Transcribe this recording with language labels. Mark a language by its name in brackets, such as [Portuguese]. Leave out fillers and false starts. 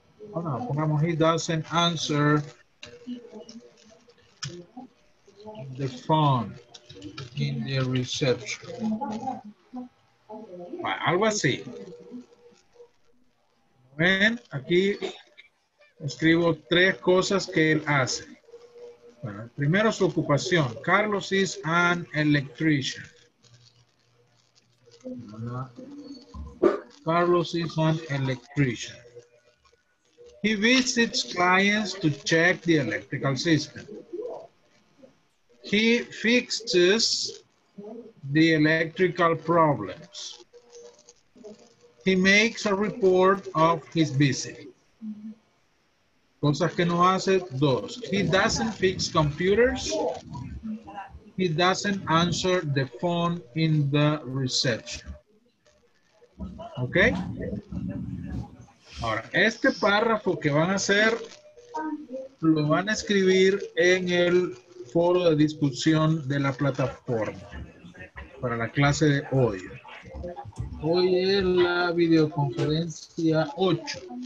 [Spanish] Bueno, pongamos, [English] he doesn't answer the phone in the reception. [Spanish] Bueno, algo así. Ven, aquí escribo tres cosas que él hace. Bueno, primero su ocupación. [English] Carlos is an electrician. [Spanish] Bueno, [English] Carlos is an electrician. He visits clients to check the electrical system. He fixes the electrical problems. He makes a report of his visit. [Spanish] Cosas que no hace, dos. [English] He doesn't fix computers. He doesn't answer the phone in the reception. Okay? [Spanish] Ahora, este párrafo que van a hacer, lo van a escribir en el foro de discusión de la plataforma para la clase de hoy. Hoy es la videoconferencia 8.